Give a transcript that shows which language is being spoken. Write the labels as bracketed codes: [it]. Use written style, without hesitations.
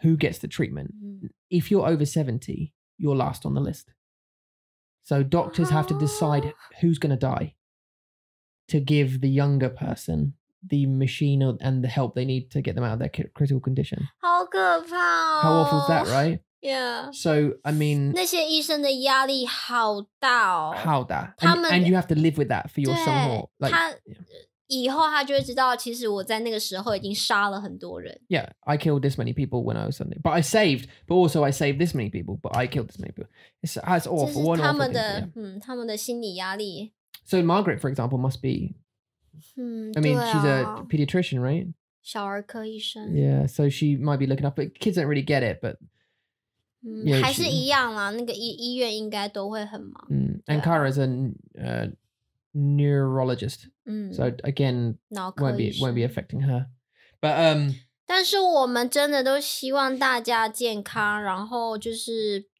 [en] who gets the treatment. If you're over 70, you're last on the list. So doctors have to decide who's going to die to give the younger person the machine and the help they need to get them out of their critical condition. [zh] 好可怕、哦、 [en] How awful is that, right? Yeah. So, I mean... [zh] 那些医生的压力好大、哦、好大他们 [en] and you have to live with that for your son or... Like, [zh] 他、yeah. 以后他就会知道其实我在那个时候已经杀了很多人。 [en] Yeah, I killed this many people when I was something. But I saved, but also I saved this many people, but I killed this many people. It's awful. This is [zh] 他们的、 [en] yeah. [zh] 他们的心理压力 [en] So Margaret, for example, must be.、嗯、 I mean,、啊、 she's a pediatrician, right? [zh] 小儿科医生 [en] Yeah, so she might be looking up, but kids don't really get it. But、 [zh] 嗯、yeah, 还是一样啦。那个医院应该都会很忙。 [en] 嗯、And Kara is a neurologist.、嗯、 so again, won't be affecting her. But [zh] 但是我们真的都希望大家健康，然后就是。